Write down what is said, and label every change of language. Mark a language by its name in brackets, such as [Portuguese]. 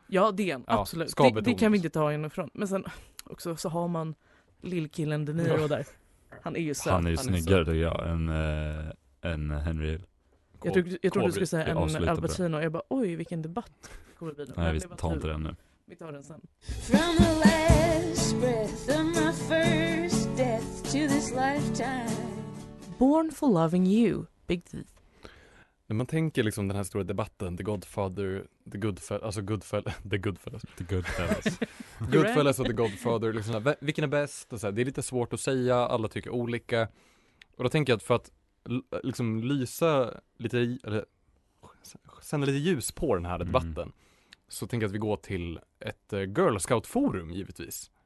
[Swedish] Ja, det är en. Absolut. Ja, det kan vi inte ta inifrån. Men sen också så har man lillkillen De Niro där. Han är ju söt. Han är snyggare så... än Henry Hill. Jag tror du skulle säga en Al Pacino. Jag bara, oj, vilken debatt. Kommer vi nej, vi tar inte den nu. Vi tar den sen. [English] From the last breath of my first death to this lifetime. Born for loving you, Big Thief. [Swedish] När man tänker liksom den här stora debatten, The Godfather, The Goodfellas, alltså Goodfellas och The Godfather, liksom här, vilken är bäst? Och så här, det är lite svårt att säga, alla tycker olika. Och då tänker jag att för att liksom lysa lite eller sända lite ljus på den här debatten så tänker jag att vi går till ett Girl Scout forum givetvis.